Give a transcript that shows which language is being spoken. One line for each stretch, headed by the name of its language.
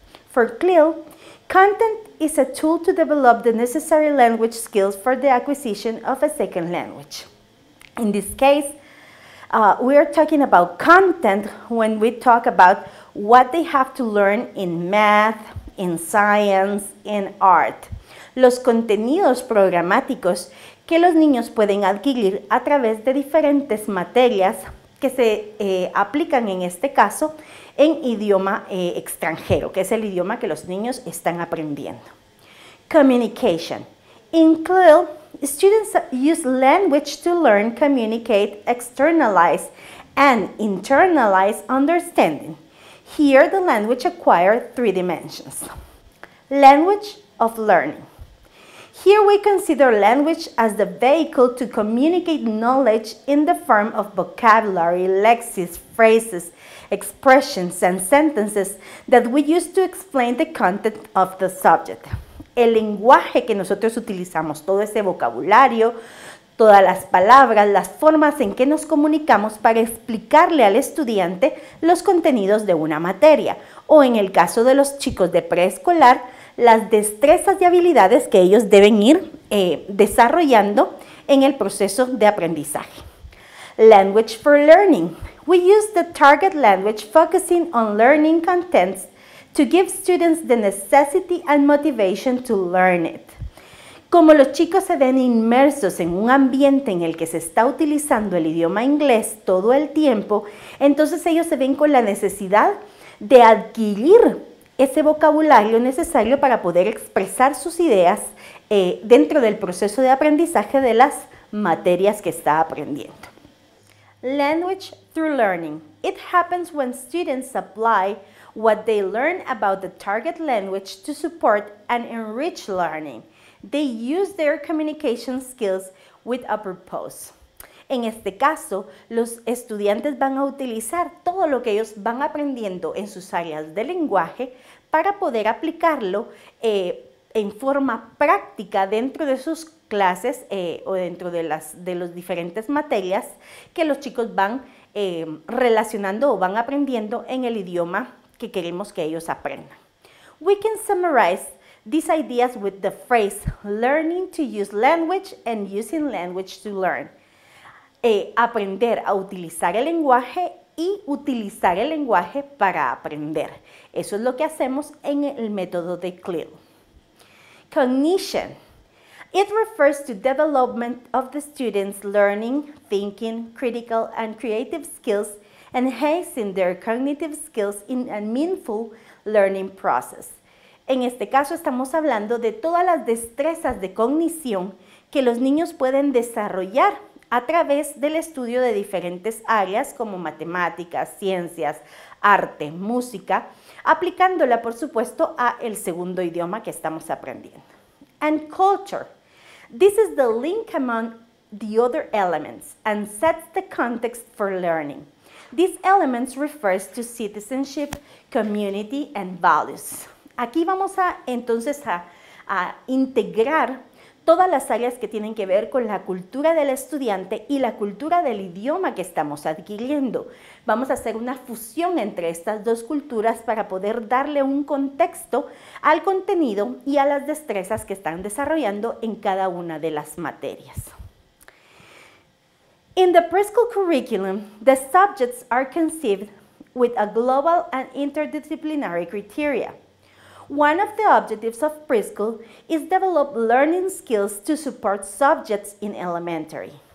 English: For CLIL, content is a tool to develop the necessary language skills for the acquisition of a second language. In this case, we are talking about content when we talk about what they have to learn in math, in science, in art.
Spanish: Los contenidos programáticos que los niños pueden adquirir a través de diferentes materias que se aplican en este caso en idioma extranjero, que es el idioma que los niños están aprendiendo.
English: Communication. In CLIL, students use language to learn, communicate, externalize, and internalize understanding. Here, the language acquires three dimensions. Language of learning. Here we consider language as the vehicle to communicate knowledge in the form of vocabulary, lexis, phrases, expressions, and sentences that we use to explain the content of the subject.
Spanish: El lenguaje que nosotros utilizamos, todo ese vocabulario, todas las palabras, las formas en que nos comunicamos para explicarle al estudiante los contenidos de una materia, o en el caso de los chicos de preescolar, las destrezas y habilidades que ellos deben ir desarrollando en el proceso de aprendizaje.
English: Language for learning. We use the target language focusing on learning contents to give students the necessity and motivation to learn it.
Spanish: Como los chicos se ven inmersos en un ambiente en el que se está utilizando el idioma inglés todo el tiempo, entonces ellos se ven con la necesidad de adquirir ese vocabulario necesario para poder expresar sus ideas dentro del proceso de aprendizaje de las materias que está aprendiendo.
English: Language through learning. It happens when students apply what they learn about the target language to support and enrich learning. They use their communication skills with a purpose.
Spanish: En este caso, los estudiantes van a utilizar todo lo que ellos van aprendiendo en sus áreas de lenguaje para poder aplicarlo en forma práctica dentro de sus clases o dentro de las diferentes materias que los chicos van relacionando o van aprendiendo en el idioma que queremos que ellos aprendan.
English: We can summarize these ideas with the phrase learning to use language and using language to learn.
Spanish: Aprender a utilizar el lenguaje y utilizar el lenguaje para aprender. Eso es lo que hacemos en el método de CLIL. Cognition.
English: It refers to development of the students' learning, thinking, critical, and creative skills, enhancing their cognitive skills in a meaningful learning process.
Spanish: En este caso, estamos hablando de todas las destrezas de cognición que los niños pueden desarrollar a través del estudio de diferentes áreas como matemáticas, ciencias, arte, música, aplicándola, por supuesto, a el segundo idioma que estamos aprendiendo.
English: And culture. This is the link among the other elements and sets the context for learning. These elements refer to citizenship, community, and values.
Spanish: Aquí vamos a, entonces, a integrar todas las áreas que tienen que ver con la cultura del estudiante y la cultura del idioma que estamos adquiriendo. Vamos a hacer una fusión entre estas dos culturas para poder darle un contexto al contenido y a las destrezas que están desarrollando en cada una de las materias.
English: In the preschool curriculum, the subjects are conceived with a global and interdisciplinary criteria. One of the objectives of preschool is to develop learning skills to support subjects in elementary.